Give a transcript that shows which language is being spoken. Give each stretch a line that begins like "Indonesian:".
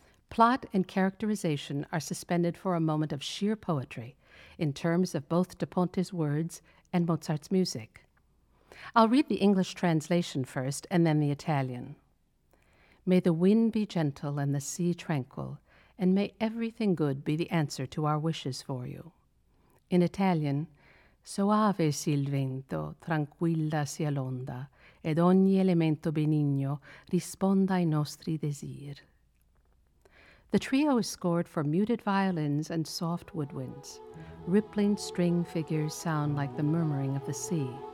English: Plot and characterization are suspended for a moment of sheer poetry in terms of both De Ponte's words and Mozart's music. I'll read the English translation first and then the Italian. May the wind be gentle and the sea tranquil, and may everything good be the answer to our wishes for you. In Italian,
Italian: soave sia il vento, tranquilla sia l'onda, ed ogni elemento benigno risponda ai nostri desir.
English: The trio is scored for muted violins and soft woodwinds. Rippling string figures sound like the murmuring of the sea.